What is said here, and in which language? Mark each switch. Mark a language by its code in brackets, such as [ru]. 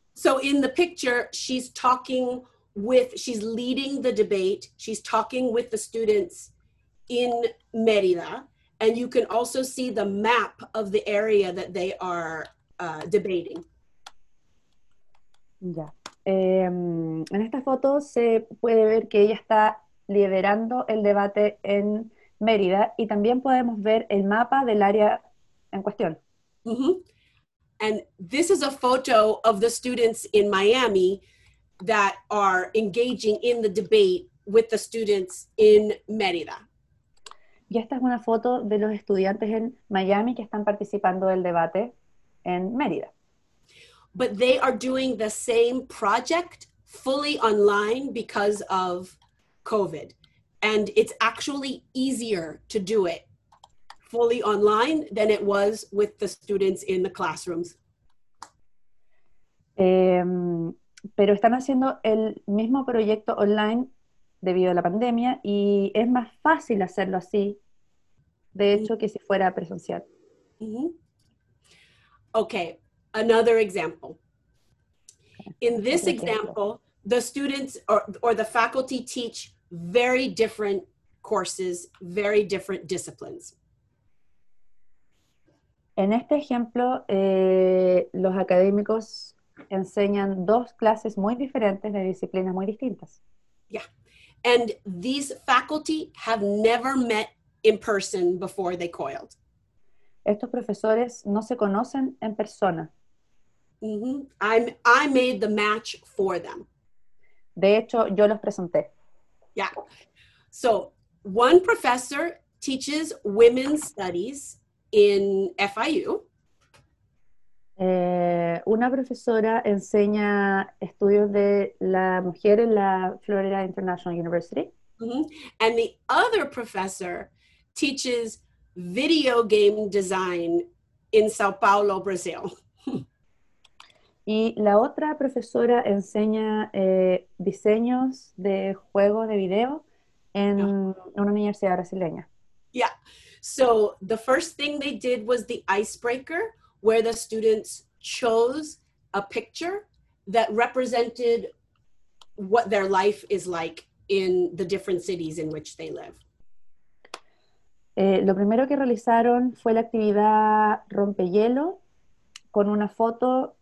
[en] So in the picture, she's talking with, she's leading the debate. She's talking with the students in Mérida. And you can also see the map of the area that they are debating. [es] Ya. En esta foto se puede ver que ella está liderando el debate en Mérida y también podemos ver el mapa del área en cuestión. Mm-hmm. [en] And this is a photo of the students in Miami that are engaging in the debate with the students in Mérida. [es] Y esta es una foto de los estudiantes en Miami que están participando del debate en Mérida. [en] But they are doing the same project fully online because of COVID. And it's actually easier to do it fully online than it was with the students in the classrooms. [es] Pero están haciendo el mismo proyecto online debido a la pandemia y es más fácil hacerlo así. De hecho, que si fuera presencial. [en] Mm-hmm. Okay, another example. In this example, the students or the faculty teach very different courses, very different disciplines. [es] En este ejemplo, los académicos enseñan dos clases muy diferentes de disciplinas muy distintas. [en] Yeah, and these faculty have never met in person before they COILed. [es] Estos profesores no se conocen en persona. [en] Mm-hmm. I made the match for them. [es] De hecho, yo los presenté. [en] Yeah. So, one professor teaches women's studies in FIU. [es] Una profesora enseña estudios de la mujer en la Florida International University. Mm-hmm. [en] And the other professor teaches video game design in Sao Paulo, Brazil. [es] Y la otra profesora enseña diseños de juegos de video en no. una universidad brasileña. [en] Yeah. So the first thing they did was the icebreaker, where the students chose a picture that represented what their life is like in the different cities in which they live. [es] Lo primero que realizaron fue la actividad rompehielo con una foto.